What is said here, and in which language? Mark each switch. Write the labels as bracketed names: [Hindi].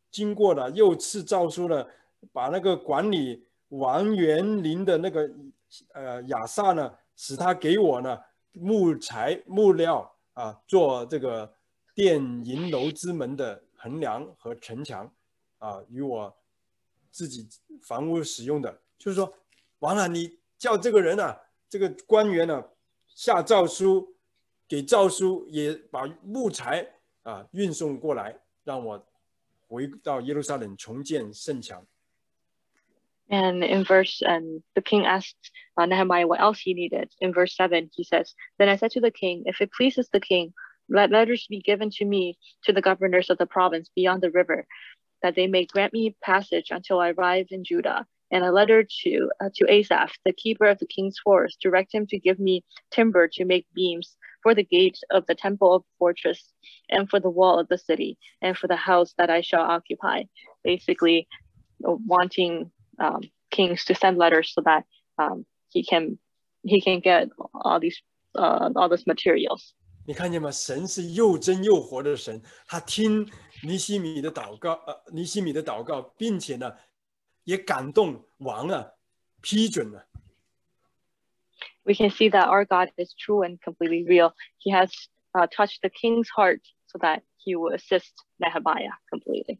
[Chinese] 经过了又赐诏书了，把那个管理王园林的那个亚萨呢，使他给我呢木材木料啊，做这个殿营楼之门的横梁和城墙啊，与我自己房屋使用的。就是说，完了，你叫这个人啊，这个官员呢、啊、下诏书，给诏书也把木材啊运送过来，让我。回到耶路撒冷重建圣墙。 [English] And in verse, the king asked Nehemiah what else he needed. In verse 7, he says, Then I said to the king, If it pleases the king, let letters be given to me to the governors of the province beyond the river, that they may grant me passage until I arrive in Judah, and a letter to Asaph, the keeper of the king's forest, direct him to give me timber to make beams. For the gates of the temple of fortress, and for the wall of the city, and for the house that I shall occupy, basically wanting kings to send letters so that he can get all these materials. [Chinese] 你看见吗？神是又真又活的神，他听尼希米的祷告，尼希米的祷告，并且呢，也感动王啊，批准了。 [English] We can see that our God is true and completely real. He has touched the king's heart so that he will assist Nehemiah completely.